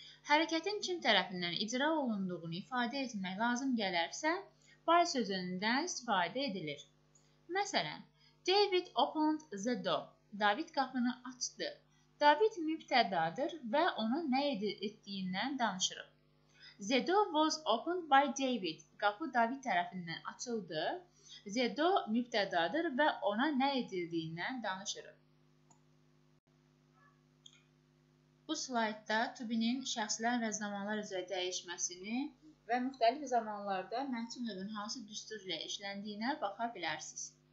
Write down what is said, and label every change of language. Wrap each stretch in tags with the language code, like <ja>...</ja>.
<az>Hərəkətin kim tərəfindən icra olunduğunu ifadə etmək lazım gələrsə, by sözündən istifadə edilir.</az> <en>Məsələn, David opened the door.</en> <az>David qapını açdı. David mübtədadır və onu nə etdiyindən danışırıq.</az> <en>The door was opened by David.</en> <az>Qapı David tərəfindən açıldı.</az> <en>The door</en> <az>mübtədadır və ona nə edildiyindən danışırıq. Bu slaytda to be-nin şəxslər və zamanlar üzrə dəyişməsini və müxtəlif zamanlarda məchul növün hansı düstur ilə işləndiyinə baxa bilərsiniz.</az>